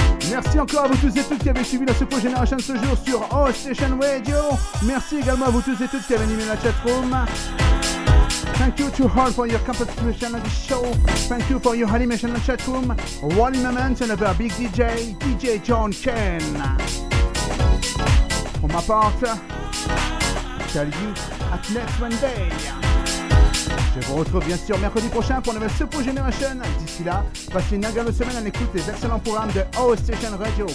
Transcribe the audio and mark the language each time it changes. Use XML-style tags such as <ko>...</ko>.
<fr>Merci encore à vous tous et toutes qui avez suivi la Soulful Generation ce jour sur Hostation Radio. Merci également à vous tous et toutes qui avez animé la chatroom.</fr> <en>Thank you to all for your contribution on this show. Thank you for your animation in the chat room. One moment, another big DJ, DJ John Ken. For my part, tell you at next Monday.</en> <fr>Je vous retrouve bien sûr mercredi prochain pour une nouvelle Soulful Generation. D'ici là, passez une agréable semaine à l'écoute des excellents programmes de Hostation Radio.</fr>